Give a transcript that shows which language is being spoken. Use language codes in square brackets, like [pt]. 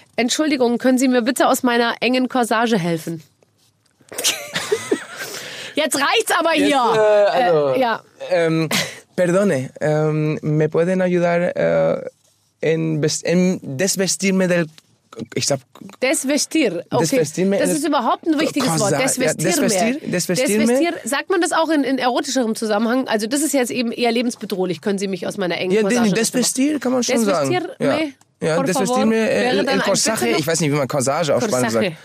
[de] Entschuldigung, können Sie mir bitte aus meiner engen Corsage helfen? Jetzt reicht's aber hier. Jetzt, ja. [es] Perdone, me pueden ayudar en desvestirme del... [de] Ich sag, [es] desvestir. Okay. Desvestirme. [de] Das ist überhaupt ein wichtiges Wort. Desvestir. Sagt man das auch in erotischerem Zusammenhang? Also das ist jetzt eben eher lebensbedrohlich. Können Sie mich aus meiner engen Corsage... Ja, desvestir kann man schon sagen. [es] Desvestirme. Ja, desvestirme el corsage. [de] Ich weiß nicht, wie man Corsage auf Spanisch sagt.